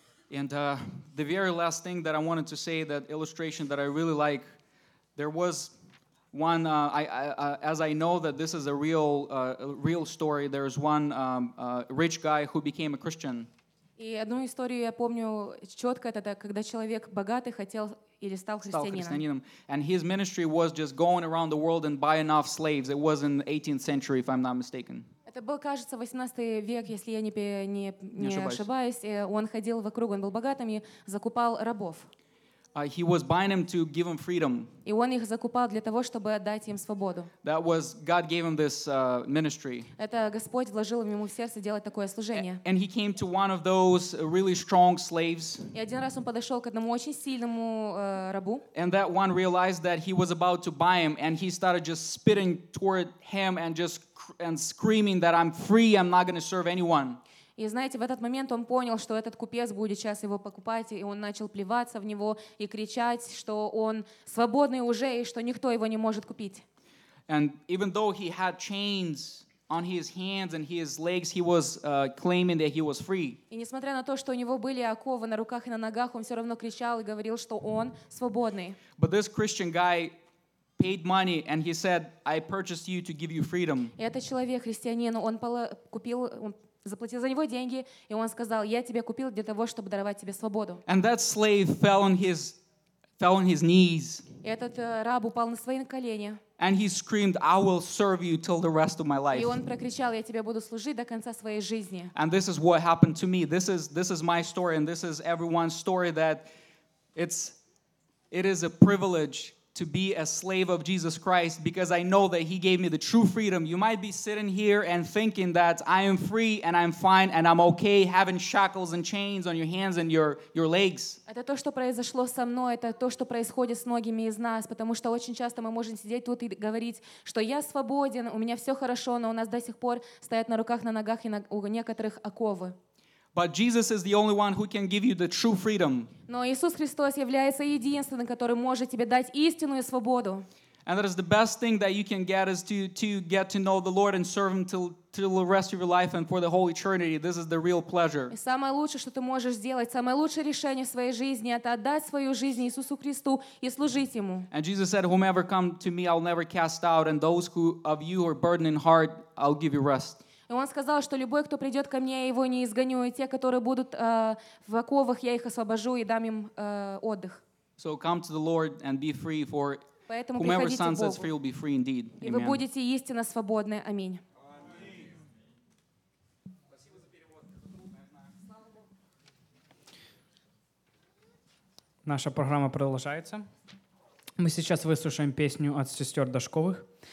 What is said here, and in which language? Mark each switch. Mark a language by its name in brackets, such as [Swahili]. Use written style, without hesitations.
[English] And the very last thing that I wanted to say, that illustration that I really like, there was one, as I know that this is a real story, there is one rich guy who became a Christian. [Russian] И одну историю я помню четко, это когда человек богатый хотел или стал христианином. [English] And his ministry was just going around the world and buying off slaves. It was in the 18th century, if I'm not mistaken. [Russian] Это был, кажется, 18 век, если я не ошибаюсь. Он ходил вокруг, он был богатым и закупал рабов. [English] He was buying them to give them freedom. [Russian] И он их закупал для того, чтобы отдать им свободу. [English] That was God gave him this ministry. [Russian] Это Господь вложил в ему в сердце делать такое служение. [English] And he came to one of those really strong slaves. [Russian] И один раз он подошел к одному очень сильному рабу. [English] And that one realized that he was about to buy him, and he started just spitting toward him and just and screaming that I'm free, I'm not going to serve anyone. [Russian] И знаете, в этот момент он понял, что этот купец будет сейчас его покупать, и он начал плеваться в него и кричать, что он свободный уже и что никто его не может купить. [English] And even though he had chains on his hands and his legs, he was claiming that he was free. [Russian] И несмотря на то, что у него были оковы на руках и на ногах, он все равно кричал и говорил, что он свободный. [English] But this Christian guy paid money and he said, "I purchased you to give you freedom." [Russian] И этот человек, христианин, он купил заплатил за него деньги, и он сказал, я тебя купил для того, чтобы даровать тебе свободу. [English] And that slave fell on his knees. [Russian] И этот раб упал на свои колени. [English] And he screamed, I will serve you till the rest of my life. [Russian] И он прокричал, я тебе буду служить до конца своей жизни. [English] And this is what happened to me. This is my story, and this is everyone's story, that it is a privilege to be a slave of Jesus Christ, because I know that he gave me the true freedom. You might be sitting here and thinking that I am free and I'm fine and I'm okay having shackles and chains on your hands and your legs. [Russian] Это то, что произошло со мной, это то, что происходит с многими из нас, потому что очень часто мы можем сидеть тут и говорить, что я свободен, у меня все хорошо, но у нас до сих пор стоят на руках, на ногах и у некоторых оковы. [English] But Jesus is the only one who can give you the true freedom. [Russian] Но Иисус Христос является единственным, который может тебе дать истинную свободу. [English] And that is the best thing that you can get, is to get to know the Lord and serve him till the rest of your life and for the whole eternity. This is the real pleasure. [Russian] И самое лучшее, что ты можешь сделать, самое лучшее решение в своей жизни, это отдать свою жизнь Иисусу Христу и служить ему. [English] And Jesus said, "Whomever come to me, I'll never cast out, and those who of you are burdened in heart, I'll give you rest." [Russian] И он сказал, что любой, кто придет ко мне, я его не изгоню, и те, которые будут в оковах, я их освобожу и дам им отдых. [English] So come to the Lord and be free, for [Russian] поэтому [English] whomever son sets free will be free indeed. [Russian] И вы будете истинно свободны. Аминь. Наша программа продолжается. Мы сейчас выслушаем песню от сестер Дашковых.